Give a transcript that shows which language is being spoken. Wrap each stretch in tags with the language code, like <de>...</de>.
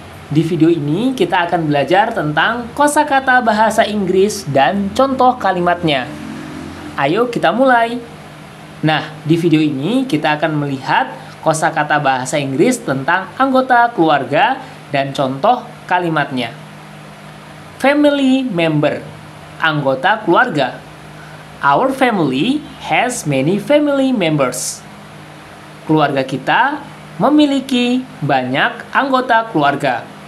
<id>Di video ini kita akan belajar tentang kosakata bahasa Inggris dan contoh kalimatnya. Ayo kita mulai. Nah, di video ini kita akan melihat kosakata bahasa Inggris tentang anggota keluarga dan contoh kalimatnya.</id> <en>Family member,</en> <id>anggota keluarga.</id> <en>Our family has many family members.</en> <id>Keluarga kita memiliki banyak anggota keluarga.</id>